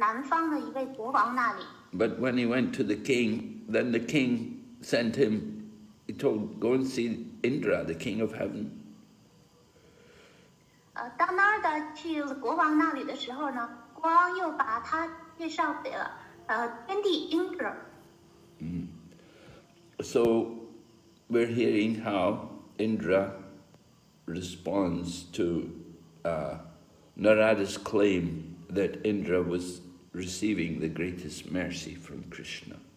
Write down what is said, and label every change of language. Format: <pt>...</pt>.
<zh>在那儿的穆尼的寻找过程当中，他第一位遇见的是一个婆罗门，之后这位婆罗门就把他指到，指向了南方的一位国王那里。But</zh> <en>when he went to the king, then the king sent him. He told, "Go and see Indra, the king of heaven."</en> <zh>当那儿的去国王那里的时候呢，国王又把他介绍给了天帝Indra。</zh> <en>So we're hearing how Indra responds to Narada's claim that Indra was receiving the greatest mercy from Krishna.</en>